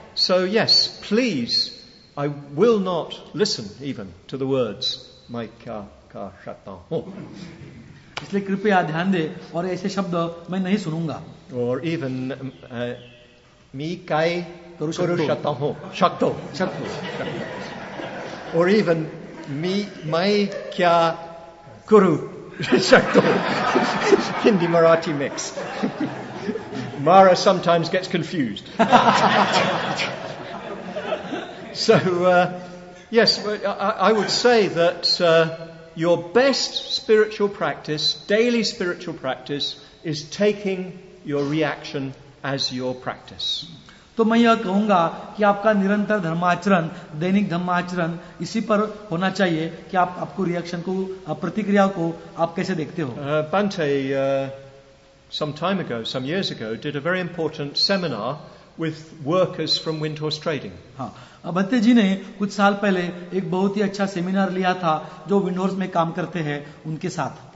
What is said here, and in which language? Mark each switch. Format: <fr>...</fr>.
<en>So yes, please, I will not listen even to the words</en> <hi>मैं क्या कर सकता हूँ. इसलिए कृपया ध्यान दे और ऐसे शब्द मैं नहीं सुनूंगा.</hi> <en>Or even</en> <hi>मैं क्या कर सकता हूँ.</hi> <mr>शक्तो शक्तो.</mr> <en>Or even</en> <hi>मैं क्या करू शक्तो. Hindi Marathi mix.</hi> <en>Mara sometimes gets confused. So, yes, I would say that your best spiritual practice, daily spiritual practice, is taking your reaction as your practice.</en> <hi>तो मैं यह कहूंगा कि आपका निरंतर धर्माचरण, दैनिक धर्माचरण इसी पर होना चाहिए कि आप आपको रिएक्शन को, प्रतिक्रिया को आप कैसे देखते हो.</hi> <en>Pante, some time ago, some years ago, did a very important seminar with workers from Windhorst Trading.</en> <hi>हाँ, भत्ते जी ने कुछ साल पहले एक बहुत ही अच्छा सेमिनार लिया था जो विंडहोर्स्ट में काम करते हैं उनके साथ.</hi>